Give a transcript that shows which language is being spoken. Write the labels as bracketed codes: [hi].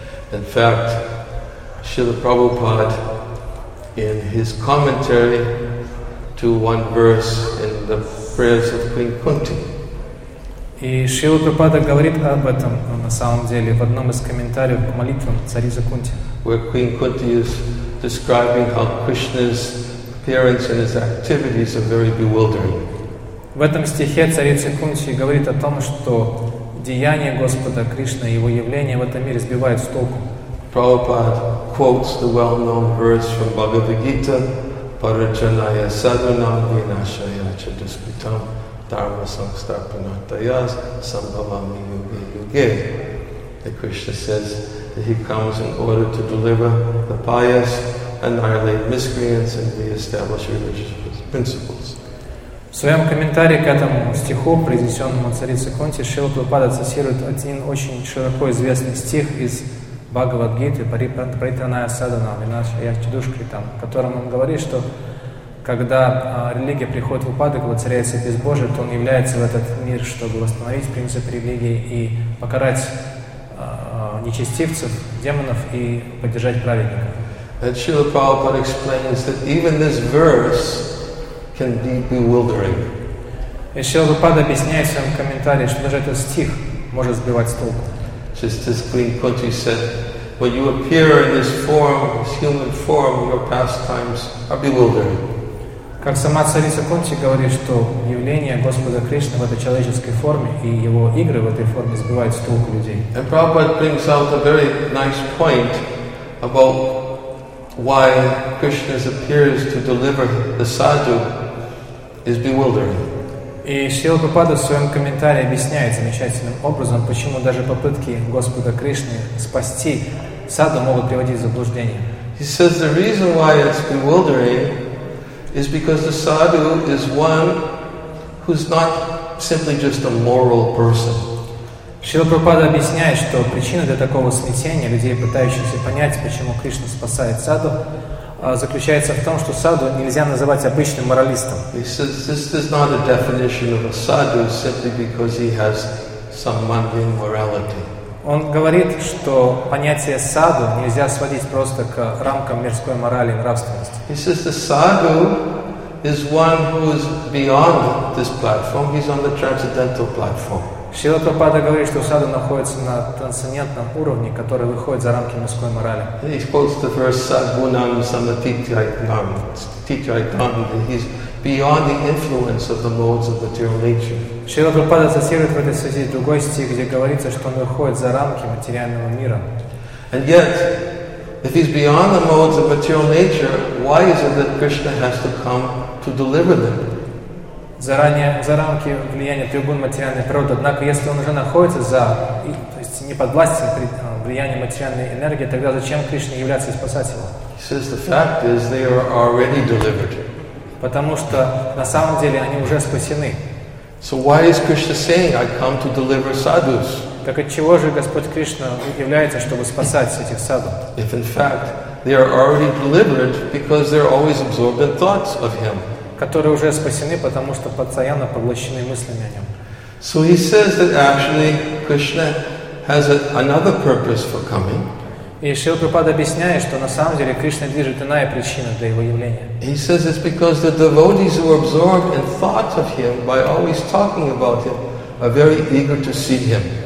[en] In fact, Srila Prabhupada, in his commentary to one verse in the prayers of Queen Kunti. [ru] И Шрила Прабхупада говорит об этом, на самом деле, в одном из комментариев к молитвам царицы Кунти. [en] Where Queen Kunti is describing how Krishna's appearance and his activities are very bewildering. [ru] В этом стихе царица Кунти говорит о том, что деяния Господа Кришны и его явления в этом мире сбивают с толку. [en] Prabhupada quotes the well-known verse from Bhagavad Gita, [sa] Parajanaya sadhanam vinashaya cha duskritam dharma sangstarpanatayas sambhavami yuge yuge. [en] The Krishna says that he comes in order to deliver the pious, annihilate miscreants and re-establish religious principles. [ru] В своем комментарии к этому стиху, произнесенному царицей Кунти, Шрила Прабхупада цитирует один очень широко известный стих из Бхагавад Гиты, [sa] Паритранная Садана, Винашая Чудушкритам, [ru] в котором он говорит, что когда религия приходит в упадок, воцаряется безбожие, то он является в этот мир, чтобы восстановить принципы религии и покарать нечестивцев, демонов и поддержать праведников. [en] And Srila Prabhupada explains that even this verse can be bewildering. [ru] И Шрила Прабхупада объясняет в своем комментарии, что даже этот стих может сбивать с толку. [en] Just as Queen Kunti said, when you appear in this form, this human form, your pastimes are bewildering. [ru] Как сама царица Кунти говорит, что явление Господа Кришны в этой человеческой форме и его игры в этой форме сбивают с толку людей. [en] And Prabhupada brings out a very nice point about why Krishna's appears to deliver the sadhu is bewildering. [ru] И Шрила Прабхупада в своем комментарии объясняет замечательным образом, почему даже попытки Господа Кришны спасти саду могут приводить в заблуждение. [en] He says the reason why it's bewildering is because the sadhu is one who's not simply just a moral person. [ru] Шрила Прабхупада объясняет, что причина для такого смятения людей, пытающихся понять, почему Кришна спасает саду, заключается в том, что саду нельзя называть обычным моралистом. [en] He says this is not a definition of a sadhu simply because he has some mundane morality. [ru] Он говорит, что понятие саду нельзя сводить просто к рамкам мирской морали и нравственности. [en] He says the sadhu is one who is beyond this platform. He's on the transcendental platform. [ru] Шрила Прабхупада говорит, что саду находится на трансцендентном уровне, который выходит за рамки мирской морали. [en] He quotes the verse [sa] Sadgunam Samatityaitam. [en] Titaitam, that he's beyond the influence of the modes of material nature. [ru] Шрила Прабхупада цитирует в этой связи другой стих, где говорится, что он выходит за рамки материального мира. [en] And yet, if he's beyond the modes of material nature, why is it that Krishna has to come to deliver them? [ru] За рамки влияния трибун материальной природы. Однако, если он уже находится то есть не под властью влияния материальной энергии, тогда зачем Кришне являться спасателем? [en] He says the fact is they are already delivered. [ru] Потому что на самом деле они уже спасены. [en] So why is Krishna saying, I come to deliver sadhus? [ru] Так отчего же Господь Кришна является, чтобы спасать этих саду? [en] If in fact they are already delivered because they're always absorbed in thoughts of Him. [ru] Которые уже спасены, потому что постоянно поглощены мыслями о нем. [en] So he says that actually Krishna has another purpose for coming. [ru] И Шрила Прабхупада объясняет, что на самом деле Кришна движет иная причина для его явления. [en] He says it's because the devotees who are absorbed in thoughts of him by always talking about him are very eager to see him.